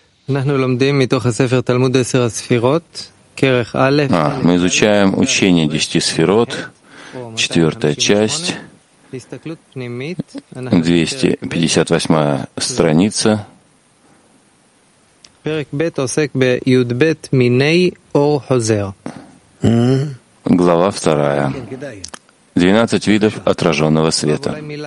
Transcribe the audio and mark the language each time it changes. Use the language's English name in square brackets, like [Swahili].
[Hebrew] אנחנו לומדים מתוך הספר תלמוד 10 הספירות, כרך א'. [Russian] Мы изучаем учение 10 сферот, 4-я часть, 258-я страница. [Hebrew] פרק ב' עוסק בי"ב מיני אור חוזר. [Russian] Глава 2. 12 видов отраженного света.